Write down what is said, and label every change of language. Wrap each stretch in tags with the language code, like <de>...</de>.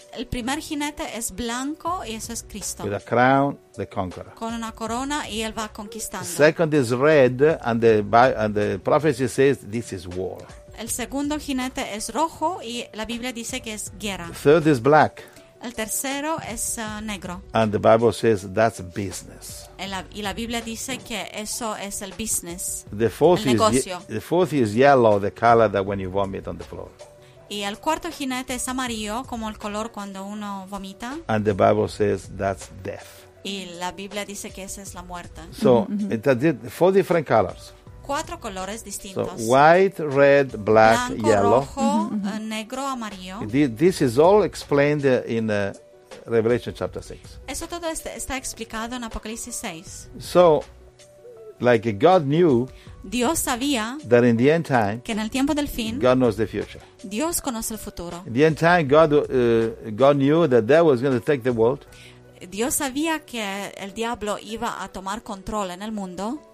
<es>El primer jinete es blanco y eso es Cristo.</es> <en>With a crown, the conqueror.</en> <es>Con una corona y él va conquistando.</es> <en>Second is red and the prophecy says this is war.</en> <es>El segundo jinete es rojo y la Biblia dice que es guerra.</es> <en>Third is black.</en> <es>El tercero es negro.</es> <en>And the Bible says that's business.</en> <es>Y la Biblia dice que eso es el business.</es> <en>The fourth</en> <es>el</es> <en>is</en> <es>negocio.</es> <en>The fourth is yellow, the color that when you vomit on the floor.</en> <es>Y el cuarto jinete es amarillo, como el color cuando uno vomita.</es> <en>And the Bible says that's death.</en> <es>Y la Biblia dice que esa es la muerte.</es> <en>So four different colors.</en> <es>Cuatro colores distintos.</es> <en>So, white, red, black,</en> <es>blanco,</es> <en>yellow.</en> <es>Rojo, negro, amarillo.</es> <en>This is all explained in Revelation chapter 6.</en> <es>Eso todo está explicado en Apocalipsis 6.</es> <en>So, like God knew.</en> <es>Dios sabía.</es> <en>That in the end time.</en> <es>Que en el tiempo del fin.</es> <en>God knows the future.</en> <es>Dios conoce el futuro.</es> <en>In the end time, God knew that devil was going to take the world.</en> <es>Dios sabía que el diablo iba a tomar control en el mundo.</es>